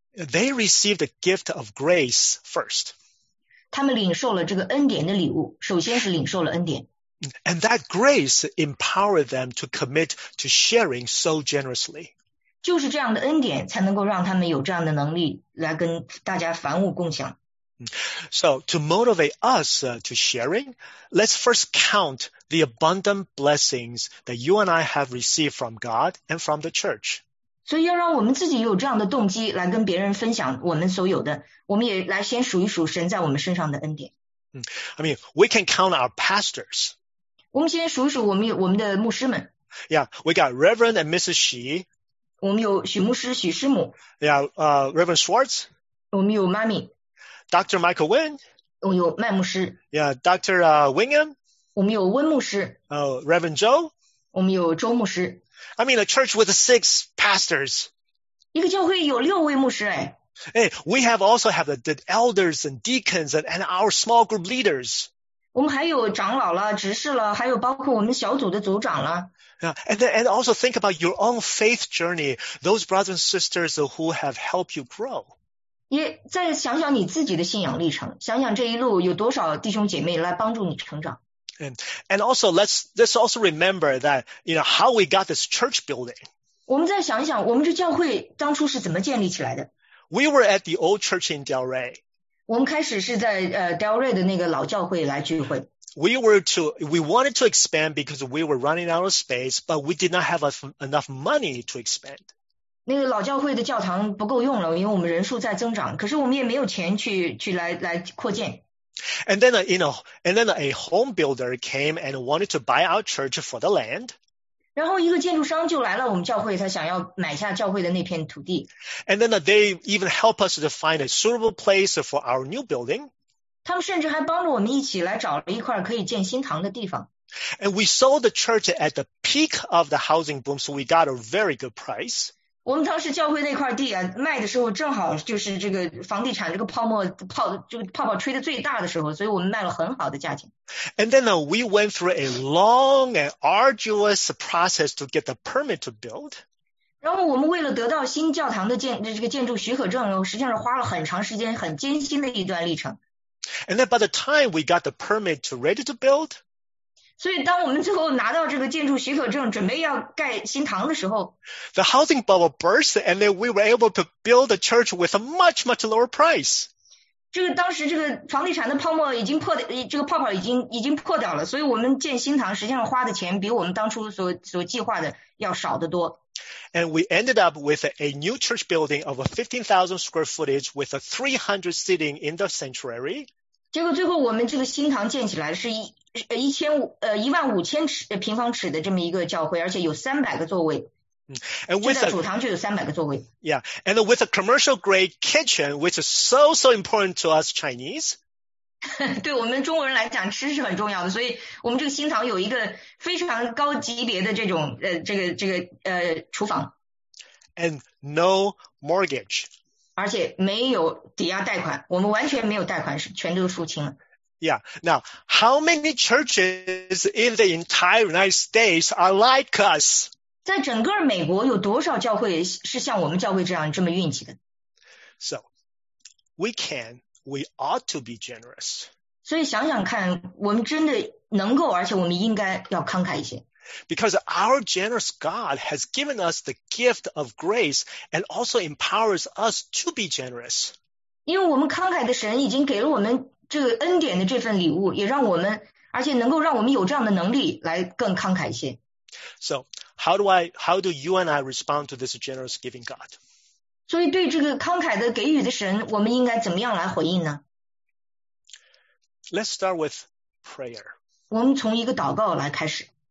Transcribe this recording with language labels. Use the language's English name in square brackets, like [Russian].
[English] They received the gift of grace first. [Chinese] 他们领受了这个恩典的礼物，首先是领受了恩典。 [English] And that grace empowered them to commit to sharing so generously. [Chinese] 就是这样的恩典才能够让他们有这样的能力来跟大家凡物共享。 [English] So, to motivate us to sharing, let's first count the abundant blessings that you and I have received from God and from the church. [Chinese] 所以要让我们自己有这样的动机来跟别人分享我们所有的，我们也来先数一数神在我们身上的恩典。 [English] I mean, we can count our pastors. [Chinese] 我们先数一数我们的牧师们。 [English] Yeah, we got Reverend and Mrs. Xi. [Chinese] 我们有许牧师、许师母。 [English] Yeah, Reverend Schwartz. [Chinese] 我们有妈咪。 [English] Dr. Michael Nguyen. [Chinese] 我们有麦牧师。 [English] Yeah, Dr. Wingham. [Chinese] 我们有温牧师。 [English] Reverend Zhou. [Chinese] 我们有周牧师。 [English] I mean, a church with six pastors. [Chinese] 一个教会有六位牧师哎。 [English] Hey, we have also have the elders and deacons and our small group leaders. [Chinese] 我们还有长老了、执事了，还有包括我们小组的组长了。 [English] Yeah, and also think about your own faith journey, those brothers and sisters who have helped you grow. [Chinese] 也再想想你自己的信仰历程，想想这一路有多少弟兄姐妹来帮助你成长。 [English] And also let's also remember that, you know, how we got this church building. [Chinese] 我们再想一想我们这教会当初是怎么建立起来的。 [English] We were at the old church in Delray. [Chinese] 我们开始是在Delray 的那个老教会来聚会。 [English] We wanted to expand because we were running out of space, but we did not have enough money to expand. [Chinese] 那个老教会的教堂不够用了，因为我们人数在增长，可是我们也没有钱去来扩建。 [English] And then, you know, and then a home builder came and wanted to buy our church for the land. [Chinese] 然后一个建筑商就来了我们教会，他想要买下教会的那片土地。 [English] And then they even helped us to find a suitable place for our new building. [Chinese] 他们甚至还帮助我们一起来找了一块可以建新堂的地方。 [English] And we sold the church at the peak of the housing boom, so we got a very good price. [Chinese] 我们当时教会那块地啊，卖的时候正好就是这个房地产这个泡沫泡就泡泡吹的最大的时候，所以我们卖了很好的价钱。 [English] And then we went through a long and arduous process to get the permit to build. [Chinese] 然后我们为了得到新教堂的建筑许可证，实际上是花了很长时间、很艰辛的一段历程。 [English] And then by the time we got the permit to ready to build, [Chinese] 所以当我们最后拿到这个建筑许可证，准备要盖新堂的时候 [English] ，the housing bubble burst, and then we were able to build a church with a much much lower price. [Chinese] 这个当时这个房地产的泡沫已经破，这个泡泡已经破掉了，所以我们建新堂实际上花的钱比我们当初所计划的要少得多。 [English] And we ended up with a new church building of a 15,000 square footage with a 300 seating in the sanctuary. [Chinese] 结果最后我们这个新堂建起来是一万五千平方尺的这么一个教会，而且有三百个座位。 [English] And with [Chinese] 就在主堂就有三百个座位。 [English] Yeah, and with a commercial grade kitchen, which is so so important to us Chinese. [Chinese] 对我们中国人来讲，吃是很重要的，所以我们这个新堂有一个非常高级别的这个厨房。 [English] And no mortgage. [Chinese] 而且没有抵押贷款，我们完全没有贷款，全都付清了。 [English] Yeah. Now, how many churches in the entire United States are like us? [Chinese] 在整个美国有多少教会是像我们教会这样这么运气的？ [English] So, we ought to be generous. [Chinese] 所以想想看，我们真的能够，而且我们应该要慷慨一些。 [English] Because our generous God has given us the gift of grace and also empowers us to be generous. [Chinese] 因为我们慷慨的神已经给了我们这个恩典的这份礼物，也让我们，而且能够让我们有这样的能力来更慷慨一些。 [English] So, how do you and I respond to this generous giving God? [Chinese] 所以对这个慷慨的给予的神，我们应该怎么样来回应呢？ [English] Let's start with prayer. [Chinese] 我们从一个祷告来开始。